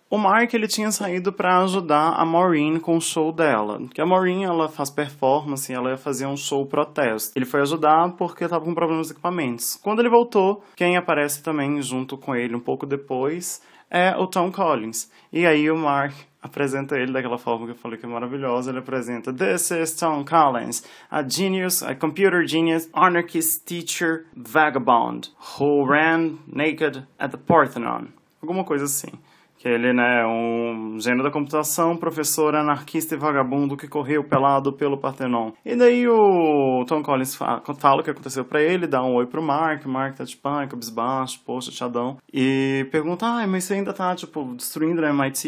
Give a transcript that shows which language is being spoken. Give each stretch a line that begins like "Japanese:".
Portuguese: O Mark, ele tinha saído pra ajudar a Maureen com o show dela. Porque a Maureen, ela faz performance, ela ia fazer um show protesto. Ele foi ajudar porque tava com problemas de equipamentos. Quando ele voltou, quem aparece também junto com ele um pouco depois é o Tom Collins. E aí o Mark apresenta ele daquela forma que eu falei que é maravilhosa. Ele apresenta,
English: this is Tom Collins, a genius, a computer genius, anarchist teacher, vagabond, who ran naked at the Parthenon.
Portuguese: Alguma coisa assim. Ele, né, é um gênio da computação, professor, anarquista e vagabundo que correu pelado pelo Partenon. E daí o Tom Collins fala o que aconteceu pra ele, dá um oi pro Mark. Mark tá tipo, cabisbaixo, poxa, chadão. E pergunta, mas você ainda tá, tipo, destruindo a MIT?